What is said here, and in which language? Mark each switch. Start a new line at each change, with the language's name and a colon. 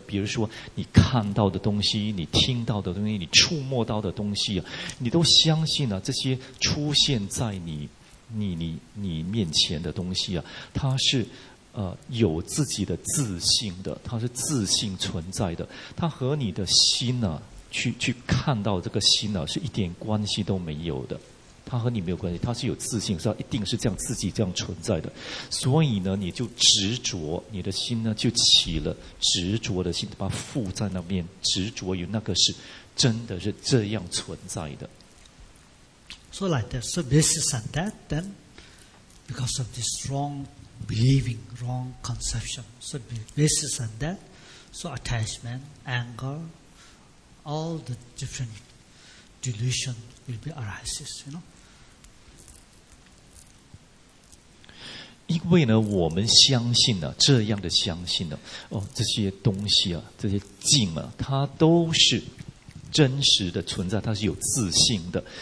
Chinese: 比如说你看到的东西，你听到的东西，你触摸到的东西，你都相信这些出现在你面前的东西它是有自己的自信的，它是自信存在的，它和你的心去看到这个心是一点关系都没有的，它和你没有关系，它是有自信，它一定是这样自己这样存在的。所以呢，你就执着，你的心呢就起了执着的心，把它附在那边，执着于那个是真的是这样存在的。
English: So like that, so basis on that, then because of this wrong believing, wrong conception, so basis on that, so attachment, anger. All the different delusion will be arises, you know.
Chinese: 因为呢，我们相信呢，这样的相信呢，这些东西这些境它都是真实的存在，它是有自信的。